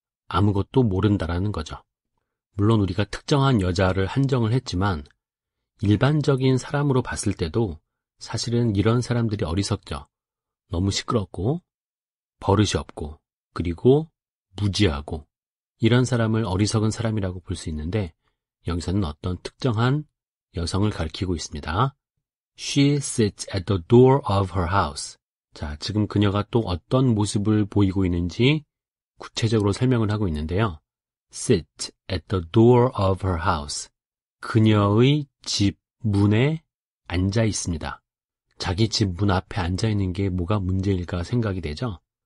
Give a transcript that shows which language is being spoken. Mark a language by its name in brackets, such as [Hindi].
[Korean] 아무것도 모른다라는 거죠. 물론 우리가 특정한 여자를 한정을 했지만 일반적인 사람으로 봤을 때도 사실은 이런 사람들이 어리석죠. 너무 시끄럽고 버릇이 없고 그리고 무지하고 이런 사람을 어리석은 사람이라고 볼 수 있는데 여기서는 어떤 특정한 여성을 가리키고 있습니다. [English] She sits at the door of her house. [Korean] 자, 지금 그녀가 또 어떤 모습을 보이고 있는지 구체적으로 설명을 하고 있는데요. [English] Sit at the door of her house. [Korean] 그녀의 집 문에 앉아 있습니다. 자기 집 문 앞에 앉아 있는 게 뭐가 문제일까 생각이 되죠?